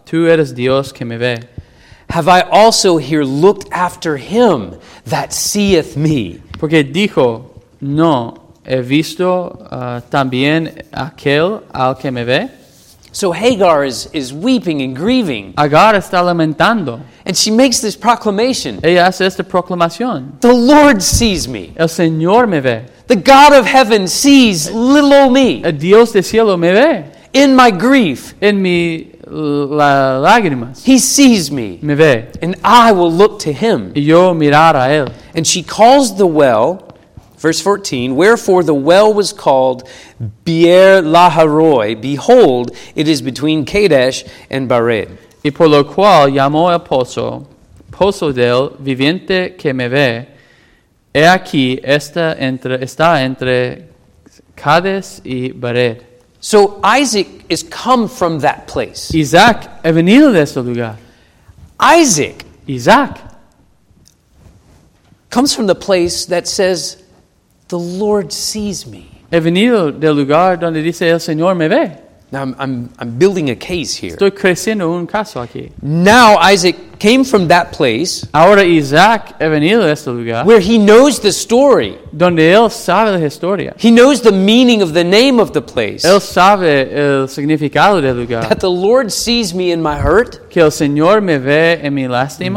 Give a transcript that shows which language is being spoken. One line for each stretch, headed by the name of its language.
Spanish: Tú eres Dios que me ve.
English: Have I also here looked after him that seeth me?
Spanish: Porque dijo, no, he visto también aquel al que me ve.
English: So Hagar is weeping and grieving.
Spanish: Hagar está lamentando.
English: And she makes this proclamation.
Spanish: Ella hace esta proclamación.
English: The Lord sees me.
Spanish: El Señor me ve.
English: The God of heaven sees little old me.
Spanish: El Dios del cielo me ve.
English: In my grief.
Spanish: En mi lágrimas.
English: He sees me.
Spanish: Me ve.
English: And I will look to him.
Spanish: Y yo mirar a él.
English: And she calls the well, verse 14, wherefore the well was called Beer Laharoi. Behold, it is between Kadesh and Bared.
Spanish: Y por lo cual llamó el pozo, pozo del viviente que me ve, he aquí está entre Kadesh y Bared.
English: So Isaac is come from that place.
Spanish: Isaac ha venido de ese lugar.
English: Isaac comes from the place that says, the Lord sees me.
Spanish: He venido del lugar donde dice el Señor me ve.
English: Now I'm building a case here.
Spanish: Estoy creciendo un caso aquí.
English: Now Isaac came from that place.
Spanish: Ahora Isaac ha venido de este lugar.
English: Where he knows the story.
Spanish: Donde él sabe la historia.
English: He knows the meaning of the name of the place.
Spanish: Él sabe el significado del lugar.
English: That the Lord sees me in my hurt.
Spanish: Que el Señor me ve en mi lástima.